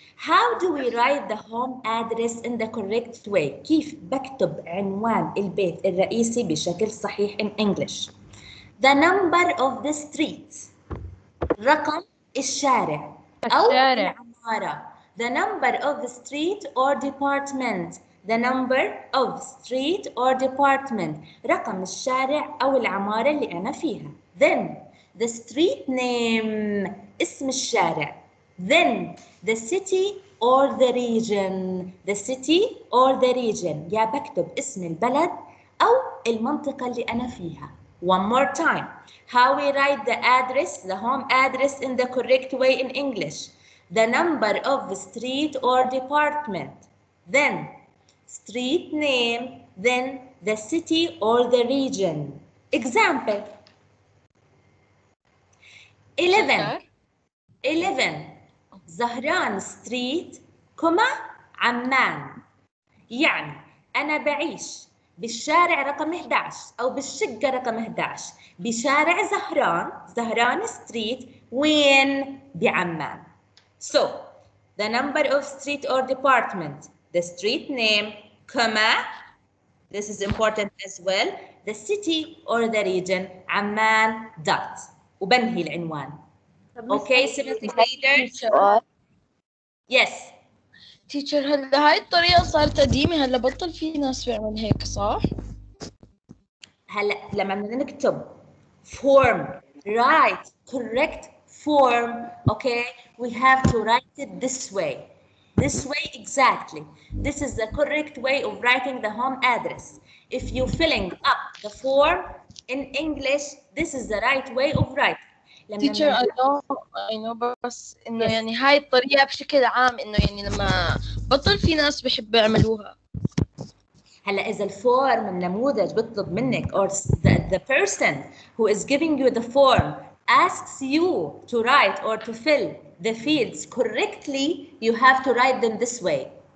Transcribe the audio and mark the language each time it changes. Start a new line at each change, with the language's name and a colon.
English: How do we write the home address in the correct way?
Arabic: كيف بكتب عنوان البيت الرئيسي بشكل صحيح
English: in English? The number of the street,
Arabic: رقم الشارع أو العمارة.
English: The number of the street or department. The number of street or department,
Arabic: رقم الشارع أو العمارة اللي أنا فيها.
English: Then the street name,
Arabic: اسم الشارع.
English: Then the city or the region. The city or the region,
Arabic: يا بكتب اسم البلد أو المنطقة اللي أنا فيها.
English: One more time. How we write the address, the home address, in the correct way in English. The number of the street or department. Then, street name. Then, the city or the region. Example. 11. 11. Zahran Street, comma, Amman.
Arabic: يعني, أنا بعيش بالشارع رقم 11 أو بالشقة رقم 11 بشارع زهران, زهران ستريت, وين؟ بعمان.
English: So, the number of street or department, the street name, comma, this is important as well, the city or the region, عمان dot,
Arabic: وبنهي العنوان.
English: Okay, seventh grader. Yes.
Arabic: تيتشر, هلا هاي الطريقة صارت قديمة, هلا بطل في ناس بيعمل هيك صح؟ هلا لما نكتب
English: form, write correct form, okay, we have to write it this way exactly. This is the correct way of writing the home address. If you filling up the form in English, this is the right way of writing. Teacher, I know,
Arabic: بس إنه يعني هاي الطريقة بشكل عام, إنه يعني لما بطل في ناس بحب يعملوها. هلا إذا الفورم النموذج بطلب منك
English: or the person who is giving you the form asks you to write or to fill the fields correctly, you have to write them this way.